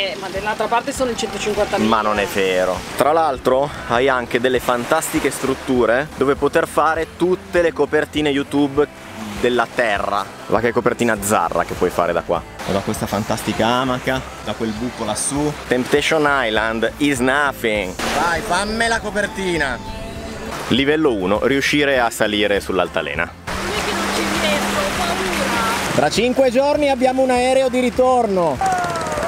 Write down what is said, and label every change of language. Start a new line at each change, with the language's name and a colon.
Italian: Ma dall'altra parte sono in 150.000. Ma non è vero. Tra l'altro hai anche delle fantastiche strutture dove poter fare tutte le copertine YouTube della terra. Ma che copertina zarra che puoi fare da qua. O da questa fantastica amaca, da quel buco lassù.
English: Temptation Island is nothing.
Italian: Vai, fammi la copertina. Livello 1, riuscire a salire sull'altalena. Non è che non ci riesco, ho paura. Tra 5 giorni abbiamo un aereo di ritorno.